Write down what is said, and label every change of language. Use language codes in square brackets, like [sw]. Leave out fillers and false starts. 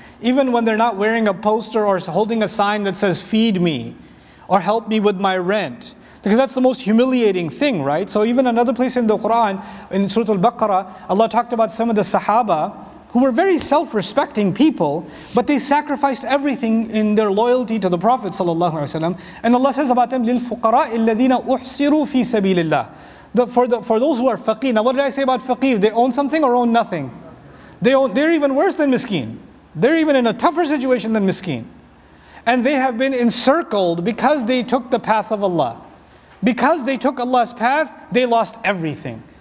[en] Even when they're not wearing a poster or holding a sign that says, feed me, or help me with my rent. Because that's the most humiliating thing, right? So even another place in the Quran, in Surah Al-Baqarah, Allah talked about some of the Sahaba, who were very self-respecting people, but they sacrificed everything in their loyalty to the Prophet ﷺ. [ar] And Allah says about them, لِلْفُقَرَاءِ الَّذِينَ أُحْصِرُوا فِي سَبِيلِ اللَّهِ. [en] For those who are faqir. Now what did I say about faqir? They own something or own nothing? They're even worse than miskeen. They're even in a tougher situation than miskeen. And they have been encircled because they took the path of Allah. Because they took Allah's path, they lost everything.